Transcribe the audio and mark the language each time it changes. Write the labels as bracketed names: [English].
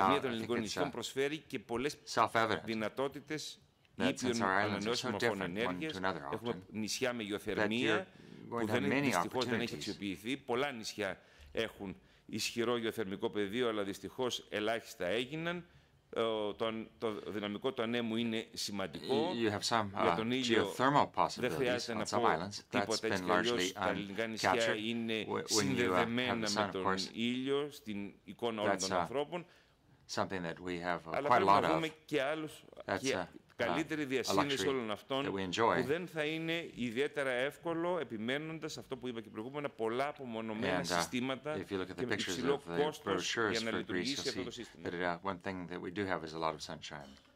[English] Now, I think it's self-evident that since our islands are so different one to another often, that you're going to have many opportunities. [Greek] Πολλά νησιά έχουν ισχυρό γεωθερμικό πεδίο, αλλά δυστυχώς ελάχιστα έγιναν. Το δυναμικό του ανέμου είναι σημαντικό. [English] You have some geothermal possibilities on some islands. That's been largely uncaptured. [Greek] Είναι συνδεδεμένα με τον ήλιο στην εικόνα όλων των ανθρώπων. [English] Something that we have quite a lot of. [Greek] Και άλλους καλύτερη διασύνδεση όλων αυτών που δεν θα είναι ιδιαίτερα εύκολο επιμένοντας αυτό που είπα και προηγούμενα, πολλά απομονωμένα συστήματα και υψηλό κόστος για να λειτουργήσει αυτό το σύστημα. [English] But one thing that we do have is a lot of sunshine.